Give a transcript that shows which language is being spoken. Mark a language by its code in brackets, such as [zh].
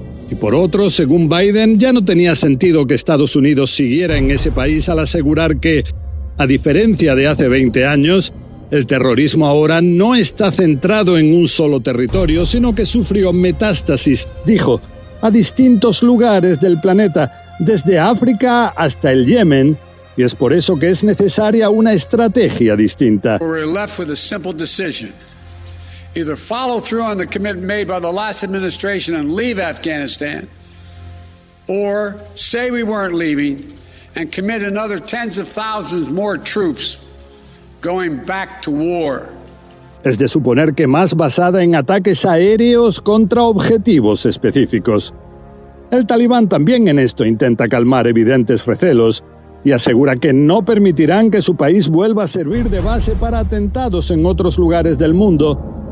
[es] Y por otro, según Biden, ya no tenía sentido que Estados Unidos siguiera en ese país al asegurar que, a diferencia de hace 20 años, el terrorismo ahora no está centrado en un solo territorio, sino que sufrió metástasis, dijo, a distintos lugares del planeta, desde África hasta el Yemen. Y es por eso que es necesaria una estrategia distinta. [en] We're left with a simple decision. Either follow through on the commitment made by the last administration and leave Afghanistan, or say we weren't leaving and commit another tens of thousands more troops going back to war. [es] Es de suponer que más basada en ataques aéreos contra objetivos específicos. El talibán también en esto intenta calmar evidentes recelos y asegura que no permitirán que su país vuelva a servir de base para atentados en otros lugares del mundo.